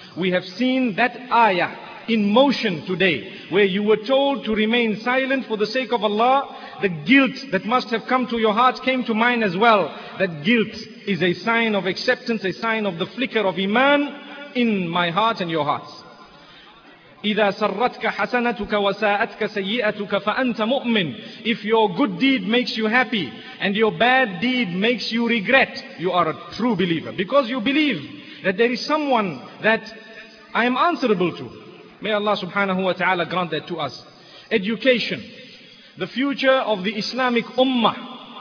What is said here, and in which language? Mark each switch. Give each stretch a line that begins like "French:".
English: We have seen that ayah in motion today, where you were told to remain silent for the sake of Allah. The guilt that must have come to your heart came to mine as well. That guilt is a sign of acceptance, a sign of the flicker of iman in my heart and your hearts.
Arabic: إذا سرتك حسنتك وساءتك سيئتك فأنت مؤمن.
English: If your good deed makes you happy and your bad deed makes you regret, you are a true believer. Because you believe that there is someone that I am answerable to. May Allah subhanahu wa ta'ala grant that to us. Education, the future of the Islamic Ummah.